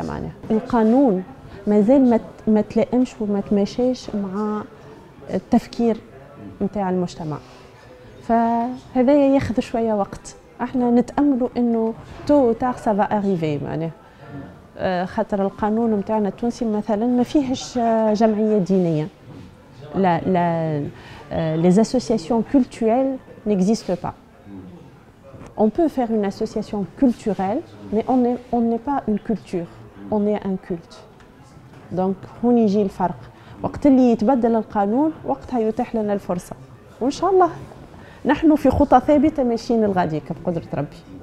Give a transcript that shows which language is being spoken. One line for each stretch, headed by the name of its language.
Arabic: معناها القانون مازال ما تلائمش وما تماشيش مع التفكير نتاع المجتمع، فهذا ياخذ شويه وقت. احنا نتاملوا انه
French: تو تاغ سافا اريفي،
Arabic: معناها خاطر القانون نتاعنا التونسي مثلا ما فيهش جمعيه دينيه، لا لا
French: لي اسوسياسيون كولتويل n'existe pas. On peut faire une association culturelle, mais on n'est pas une culture, on est un culte.
Arabic: Donc, هون يجي الفرق. وقت اللي يتبدل القانون وقتها يتيح لنا الفرصة. وإن شاء الله نحن في خطة ثابتة ماشيين الغادي بقدرة ربي.